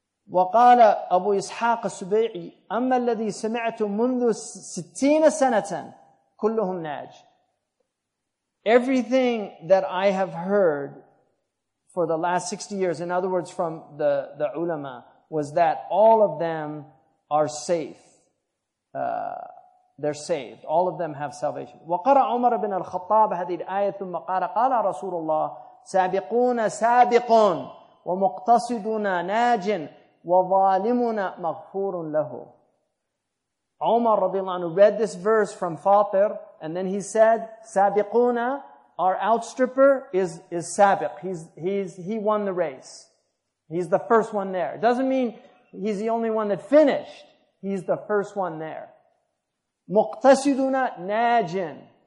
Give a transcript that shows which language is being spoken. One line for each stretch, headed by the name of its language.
Arabic: وقال أبو إسحاق السبيعي أما الذي سمعت منذ 60 سنة كلهم ناج.
English: Everything that I have heard for the last 60 years, in other words, from the ulama, was that all of them are safe. They're saved. All of them have salvation.
Arabic: وقرأ عمر بن الخطاب هذه الآية ثم قال قال رسول الله سابقون سابقون ومقتصدون ناج وظالمون مغفور له.
English: Umar radiallahu anhu read this verse from Fatir, and then he said, "Sabiquna, our outstripper is sabiq. He won the race. He's the first one there. It doesn't mean he's the only one that finished. He's the first one there.
Arabic: Muqtasiduna najin.